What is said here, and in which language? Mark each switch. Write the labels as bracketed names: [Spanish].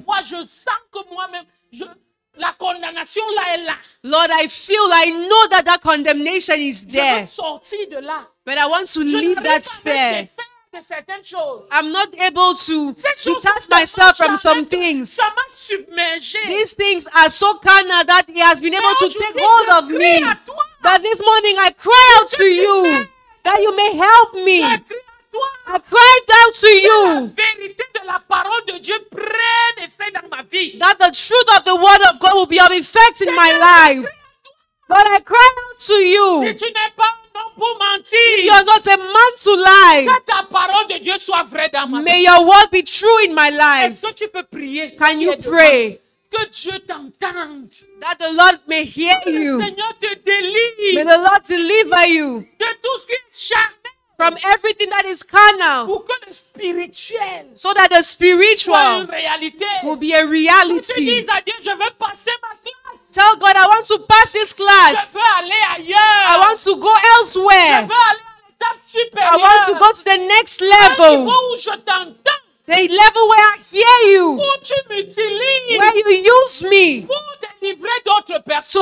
[French] Je vois, je sens que moi-même, je, la condamnation là est là. [English] Lord, I feel, I know that that condemnation is there. [French] Je veux sortir de là. [English] But I want to leave that sphere. I'm not able to detach myself from some things. These things are so carnal that it has been able to take hold of me. But this morning I cry out to you that you may help me. I cried out to you that the truth of the word of God will be of effect in my life. But I cry out to you. If you are not a man to lie, [French] que ta parole de Dieu soit vraie dans ma vie. [English] May your word be true in my life. [French] Est-ce que tu peux prier? [English] Can you pray? [French] Que Dieu t'entende. [English] That the Lord may hear you. [French] Que le Seigneur te délivre. [English] May the Lord deliver you. [French] De tout ce qui est charnel. [English] From everything that is carnal. [French] Pour que le spirituel. [English] So that the spiritual. [French] Soit une réalité. [English] Will be a reality. [French] Tu dis à Dieu, je veux passer ma classe. [English] Tell God, I want to pass this class. [French] Je veux aller ailleurs. [English] I want to go elsewhere. [French] Je veux aller à l'étape supérieure. [English] I want to go to the next level. [French] Le niveau où je t'entends. [English] The level where I hear you. [French] Où tu m'utilises. [English] Where you use me. [French] Pour délivrer d'autres personnes.